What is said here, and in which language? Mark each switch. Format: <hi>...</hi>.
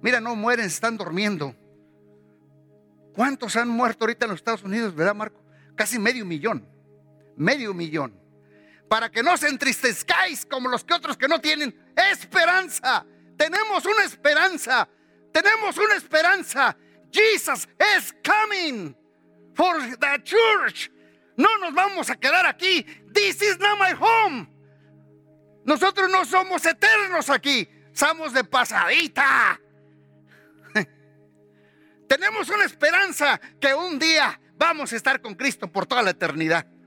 <es>Mira, no mueren, están durmiendo. ¿Cuántos han muerto ahorita en los Estados Unidos, verdad, Marco? Casi medio millón. Medio millón. Para que no se entristezcáis como los que otros que no tienen esperanza. Tenemos una esperanza. Tenemos una esperanza.</es> <en>Jesus is coming for the church.</en> <es>No nos vamos a quedar aquí.</es> <en>This is not my home.</en> <es>Nosotros no somos eternos aquí. Somos de pasadita. Tenemos una esperanza que un día vamos a estar con Cristo por toda la eternidad.</es>